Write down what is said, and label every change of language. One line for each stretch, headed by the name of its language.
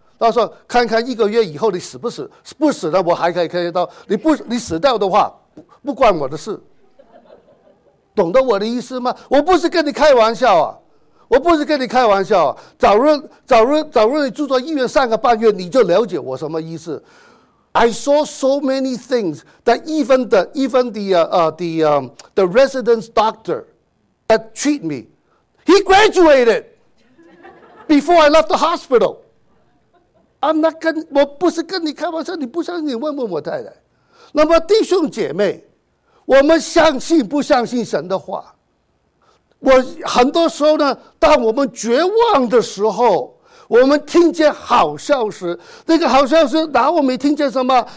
Chinese: 他说看看一个月以后你死不死，不死了我还可以开刀，你死掉的话 不关我的事。懂得我的意思吗？我不是跟你开玩笑啊。我不是跟你开玩笑啊！早日你住到医院上个半月，你就了解我什么意思。
English: I saw so many things that even the resident doctor that treat me, he graduated before I left the hospital. I'm not
Chinese: 跟我不是跟你开玩笑，你不相信你问问我太太。那么弟兄姐妹，我们相信不相信神的话？我很多时候呢，当我们绝望的时候，我们听见好消息，那个好消息哪我没听见什么？